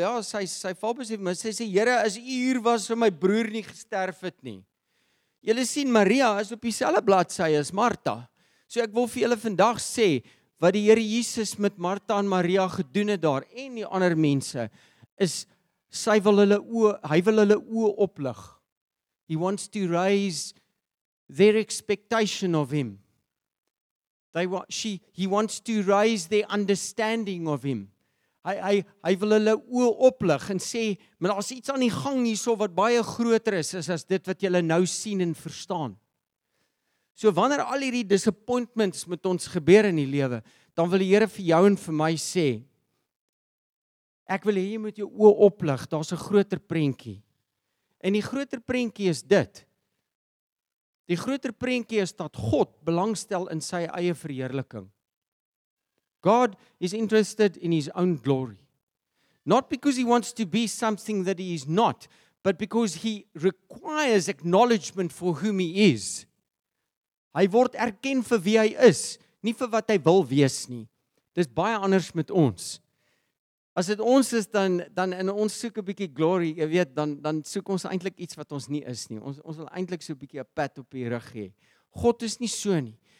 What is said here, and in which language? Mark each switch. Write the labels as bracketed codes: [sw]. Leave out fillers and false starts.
[af] Ja, sy val besef, maar sy sê, Here, as u hier was, sou my broer nie gesterf het nie. Julle sien, Maria is op dieselfde bladsy as Martha. So ek wil vir julle vandag sê, wat die Here Jesus met Martha en Maria gedoen het daar, en die ander mense, is, sy wil hulle oë oplig. [en] He wants to raise their expectation of him. He wants to raise their understanding of him. [af] Hy wil hulle oë oplig en sê, maar daar's iets aan die gang hierso wat baie groter is as dit wat julle nou sien en verstaan. So wanneer al hierdie disappointments met ons gebeur in die lewe, dan wil die Here vir jou en vir my sê, ek wil hê jy moet jou oë oplig, daar's 'n groter prentjie. En die groter prentjie is dit. Die groter prentjie is dat God belangstel in sy eie verheerliking. [en] God is interested in his own glory. Not because he wants to be something that he is not, but because he requires acknowledgement for whom he is. [af] Hy word erken vir wie hy is, nie vir wat hy wil wees nie. Dis baie anders met ons. As dit ons is, dan in ons soek 'n bietjie glory, jy weet, dan soek ons eintlik iets wat ons nie is nie. Ons wil eintlik so 'n bietjie 'n pat op die rug hê. God is nie so nie.